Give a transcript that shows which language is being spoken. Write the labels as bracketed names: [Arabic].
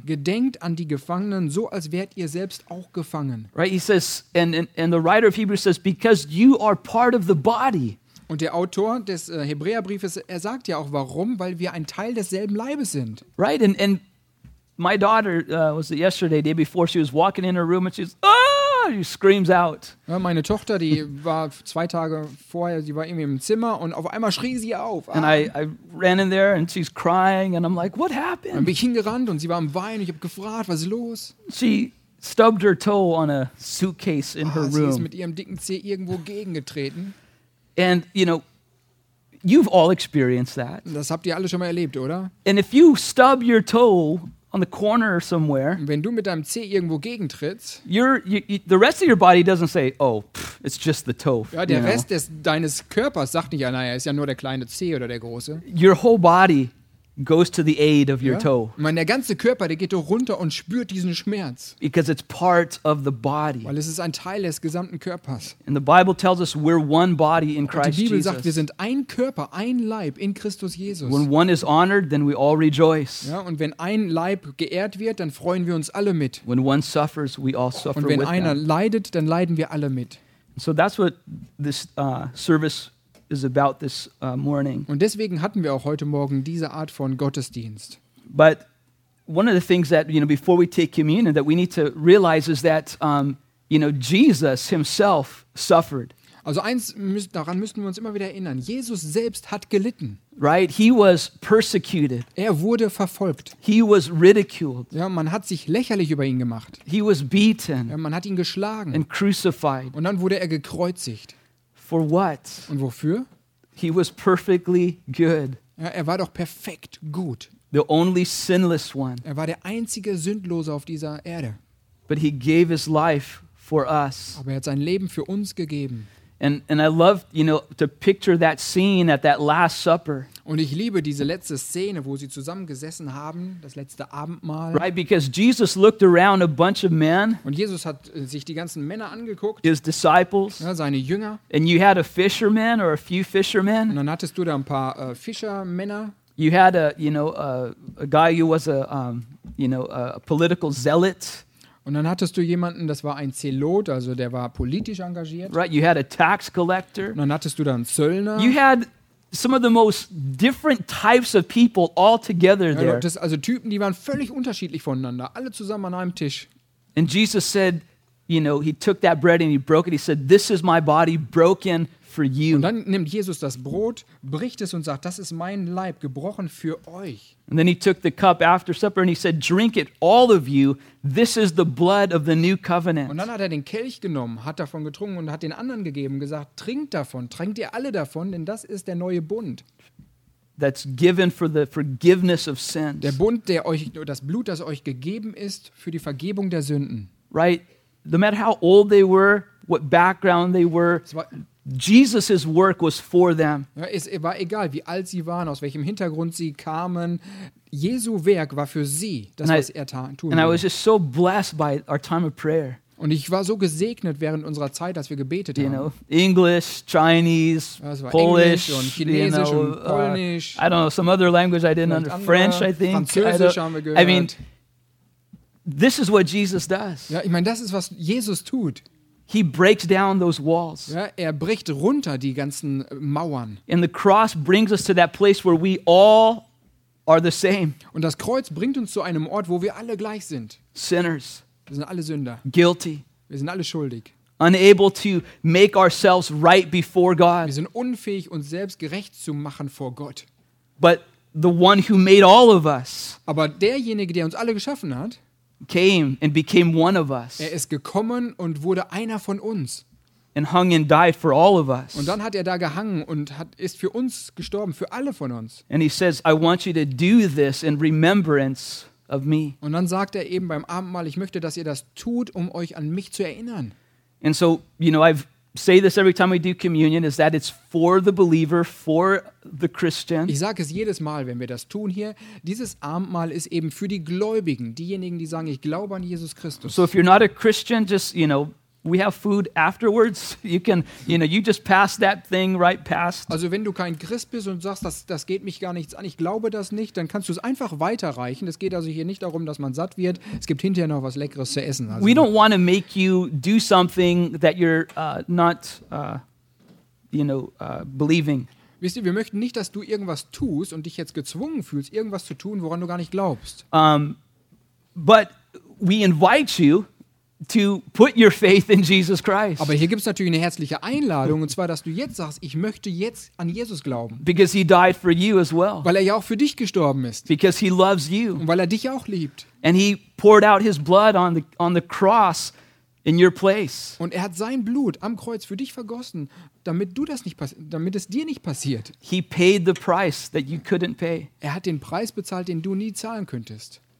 [German] Gedenkt an die Gefangenen, so als wärt ihr selbst auch gefangen. [English] Right. He says, and the writer of Hebrews says, because you are part of the body. [German] Und der Autor des Hebräerbriefes, er sagt ja auch, warum? Weil wir ein Teil desselben Leibes sind. [English] Right. And my daughter was it yesterday, day before, she was walking in her room and she's she screams out. [German] Ja, meine Tochter, die war zwei Tage vorher, sie war irgendwie im Zimmer und auf einmal schrie sie auf. [English] And I ran in there and she's crying and I'm like, what happened? [German] Dann bin ich hingerannt und sie war am Weinen. Ich habe gefragt, was ist los? [English] She stubbed her toe on a suitcase in her room. [German] Sie ist mit ihrem dicken Zeh irgendwo gegengetreten. [English] And you know, you've all experienced that. [German] Das habt ihr alle schon mal erlebt, oder? [English] And if you stub your toe on the corner or somewhere. [German] Wenn du mit deinem Zeh irgendwo gegentrittst, [English] the rest of your body doesn't say, oh, pff, it's just the toe. [German] Ja, der Rest deines Körpers sagt nicht, naja, ist ja nur der kleine Zeh oder der große. [English] Your whole body goes to the aid of your toe. [German] Ich meine, der ganze Körper, der geht doch runter und spürt diesen Schmerz. [English] Because it's part of the body. [German] Weil es ist ein Teil des gesamten Körpers. [English] And the Bible tells us we're one body in Christ Jesus. [German] Die Bibel sagt, wir sind ein Körper, ein Leib in Christus Jesus. [English] When one is honored, then we all rejoice. [German] Ja, und wenn ein Leib geehrt wird, dann freuen wir uns alle mit. [English] When one suffers, we all suffer with them. [German] Und wenn einer leidet, dann leiden wir alle mit. [English] So that's what this service is about this morning. [German] Und deswegen hatten wir auch heute Morgen diese Art von Gottesdienst. [English] But one of the things that, you know, before we take communion, that we need to realize is that, you know, Jesus himself suffered. [German] Also eins, daran müssen wir uns immer wieder erinnern. Jesus selbst hat gelitten. [English] Right, he was persecuted. [German] Er wurde verfolgt. [English] He was ridiculed. [German] Ja, man hat sich lächerlich über ihn gemacht. [English] He was beaten. [German] Ja, man hat ihn geschlagen. [English] And crucified. [German] Und dann wurde er gekreuzigt. [English] For what? [German] Und wofür? [English] He was perfectly good. [German] Ja, er war doch perfekt gut. [English] The only sinless one. [German] Er war der einzige Sündlose auf dieser Erde. [English] But he gave his life for us. [German] Aber er hat sein Leben für uns gegeben. [English] And I love, you know, to picture that scene at that Last Supper. [German] Und ich liebe diese letzte Szene, wo sie zusammen gesessen haben, das letzte Abendmahl. [English] Right, because Jesus looked around a bunch of men. [German] Und Jesus hat sich die ganzen Männer angeguckt. [English] His disciples. [German] Ja, seine Jünger. [English] And you had a fisherman or a few fishermen. [German] Und dann hattest du da ein paar Fischermänner. [English] You had a, you know, a guy who was a, you know, a political zealot. [German] Und dann hattest du jemanden, das war ein Zelot, also der war politisch engagiert. [English] Right, you had a tax collector. [German] Und dann hattest du da einen Zöllner. [English] You had some of the most different types of people all together there. [German] Ja, also Typen, die waren völlig unterschiedlich voneinander, alle zusammen an einem Tisch. [English] And Jesus said, you know, he took that bread and he broke it. He said, "This is my body broken for you." [German] Und dann nimmt Jesus das Brot, bricht es und sagt, das ist mein Leib, gebrochen für euch. [English] And then he took the cup after supper and he said, "Drink it, all of you. This is the blood of the new covenant." [German] Und dann hat er den Kelch genommen, hat davon getrunken und hat den anderen gegeben und gesagt, trinkt davon, trinkt ihr alle davon, denn das ist der neue Bund. [English] That's given for the forgiveness of sins. [German] Der Bund, der euch, das Blut, das euch gegeben ist, für die Vergebung der Sünden. [English] Right? No matter how old they were, what background they were, Jesus' work was for them. [German] Ja, es war egal, wie alt sie waren, aus welchem Hintergrund sie kamen. Jesu Werk war für sie, das, was er tun will. [English] And I was just so blessed by our time of prayer. [German] Und ich war so gesegnet während unserer Zeit, dass wir gebetet haben. [English] You know, English, Chinese, Polish, [German] Englisch und Chinesisch, [English] you know, [German] und Polnisch. [English] I don't know, some other language I didn't understand. French, I think. [German] Französisch haben wir gehört. [English] I mean, this is what Jesus does. [German] Ja, ich meine, das ist, was Jesus tut. [English] He breaks down those walls. [German] Ja, er bricht runter die ganzen Mauern. [English] And the cross brings us to that place where we all are the same. [German] Und das Kreuz bringt uns zu einem Ort, wo wir alle gleich sind. [English] Sinners. [German] Wir sind alle Sünder. [English] Guilty. [German] Wir sind alle schuldig. [English] Unable to make ourselves right before God. [German] Wir sind unfähig, uns selbst gerecht zu machen vor Gott. [English] But the one who made all of us. [German] Aber derjenige, der uns alle geschaffen hat, [English] came and became one of us. [German] Er ist gekommen und wurde einer von uns. [English] And hung and died for all of us. [German] Und dann hat er da gehangen und ist für uns gestorben, für alle von uns. [English] And he says, "I want you to do this in remembrance of me." [German] Und dann sagt er eben beim Abendmahl, ich möchte, dass ihr das tut, um euch an mich zu erinnern. [English] And so, you know, I say this every time we do communion, is that it's for the believer, for the Christian. [German] Ich sage es jedes Mal, wenn wir das tun hier, dieses Abendmahl ist eben für die Gläubigen, diejenigen, die sagen, ich glaube an Jesus Christus. [English] So if you're not a Christian, just, you know, we have food afterwards. You can, you know, you just pass that thing right past. [German] Also wenn du kein Christ bist und sagst, das geht mich gar nichts an, ich glaube das nicht, dann kannst du es einfach weiterreichen. Es geht also hier nicht darum, dass man satt wird. Es gibt hinterher noch was Leckeres zu essen. Also, [English] we don't want to make you do something that you're not, you know, believing. [German] Wisst ihr, wir möchten nicht, dass du irgendwas tust und dich jetzt gezwungen fühlst, irgendwas zu tun, woran du gar nicht glaubst. [English] But we invite you to put your faith in Jesus Christ. [German] Aber hier gibt's natürlich eine herzliche Einladung, und zwar, dass du jetzt sagst, ich möchte jetzt an Jesus glauben. [English] Because he died for you as well. [German] Weil er ja auch für dich gestorben ist. [English] Because he loves you. [German] Und weil er dich auch liebt. [English] And he poured out his blood on the cross in your place. [German] Und er hat sein Blut am Kreuz für dich vergossen, damit es dir nicht passiert. [English] He paid the price that you couldn't pay. [German] Er hat den Preis bezahlt, den du nie zahlen könntest.